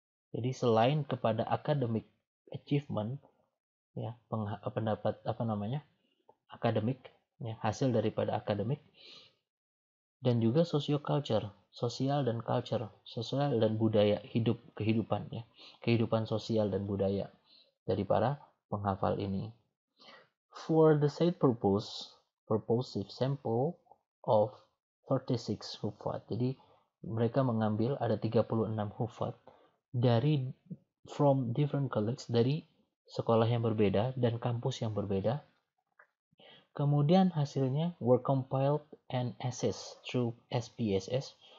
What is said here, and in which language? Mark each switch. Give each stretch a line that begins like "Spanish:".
Indonesian: Jadi selain kepada
English: academic achievement,
Indonesian: ya, pendapat apa namanya, akademik, ya, hasil daripada akademik, dan juga sociocultural. Sosial dan culture, sosial dan budaya, hidup, kehidupan ya, kehidupan sosial dan budaya dari para penghafal ini.
English: For the said purpose, purposive sample of 36 hufat.
Indonesian: Jadi mereka mengambil ada 36 hufat dari
English: from different colleges,
Indonesian: dari sekolah yang berbeda dan kampus yang berbeda. Kemudian hasilnya
English: were compiled and assessed through SPSS.